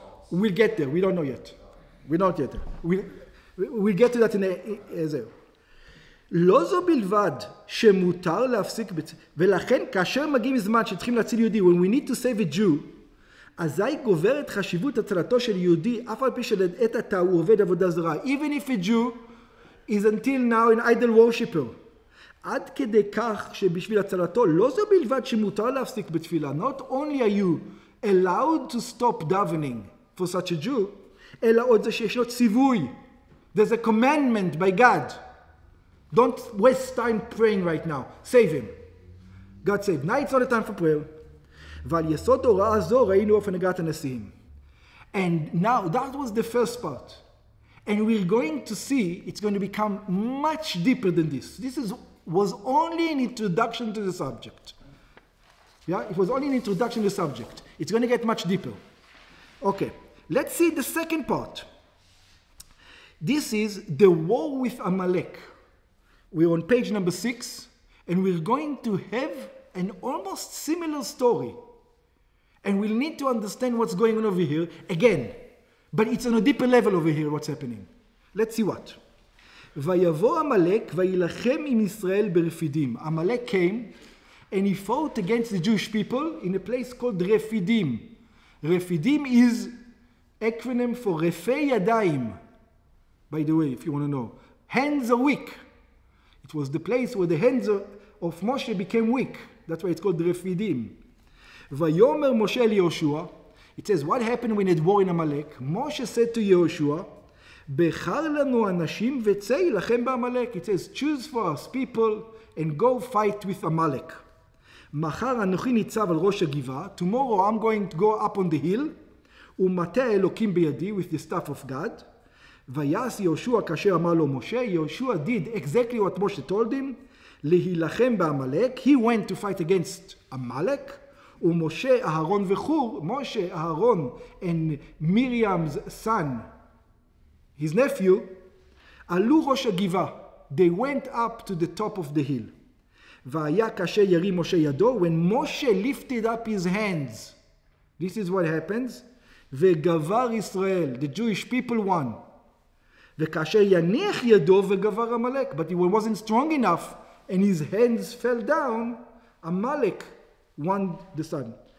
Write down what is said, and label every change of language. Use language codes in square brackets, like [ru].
[en] We'll get there. We don't know yet. We're not yet there. We'll get to that in a zero. [he] לא זו בלבד שמותר להפסיק ולכן כאשר מגיעים זמן שצריכים להציל יהודי, [en] when we need to save a Jew, [he] אזי גוברת חשיבות הצלתו של יהודי, אף על פי שלעת עתה הוא עובד עבודה זרה. [en] Even if a Jew is until now an idol worshipper. [he] עד כדי כך שבשביל הצלתו, לא זו בלבד שמותר להפסיק בתפילה. [en] Not only are you allowed to stop davening for such a Jew, [he] אלא עוד זה שיש לו ציווי. [en] There's a commandment by God. Don't waste time praying right now. Save him. God said, now it's not a time for prayer. [he] ועל יסוד הוראה זו ראינו אופן הגעת הנשיאים. [en] And now, that was the first part. And we're going to see, it's going to become much deeper than this. This is, was only an introduction to the subject. Yeah, it was only an introduction to the subject. It's going to get much deeper. Okay, let's see the second part. This is the war with Amalek. We're on page number 6, and we're going to have an almost similar story. And we'll need to understand what's going on over here again. But it's on a deeper level over here what's happening. Let's see what. [he] ויבוא עמלק וילחם עם ישראל ברפידים. [en] עמלק came and he fought against the Jewish people in a place called Refidim. Refidim is acronym for Refe Yadayim. By the way, if you want to know. Hands are weak. It was the place where the hands of Moshe became weak. That's why it's called Refidim. [he] ויאמר משה ליהושע, [en] it says, what happened when it war in Amalek? Moshe said to Yehoshua, [he] בחר לנו אנשים וצא ילחם בעמלק. [en] It says, choose for us people and go fight with Amalek. [he] מחר אנוכי ניצב על ראש הגבעה, [en] tomorrow I'm going to go up on the hill, [he] ומטה אלוקים בידי [en] with the staff of God. [he] ויעש יהושע כאשר אמר לו משה, יהושע [en] did exactly what Moshe told him, [he] להילחם בעמלק. [en] He went to fight against Amalek. [he] ומשה אהרון וחור, משה אהרון [en] and Miriam's son, his nephew, [he] עלו ראש הגבעה. [en] They went up to the top of the hill. [he] והיה כאשר ירים משה ידו, [en] when Moshe lifted up his hands, this is what happens, [he] וגבר ישראל, [en] the Jewish people won. [he] וכאשר יניח ידו וגבר עמלק, [en] but he wasn't strong enough, and his hands fell down, עמלק, one the son.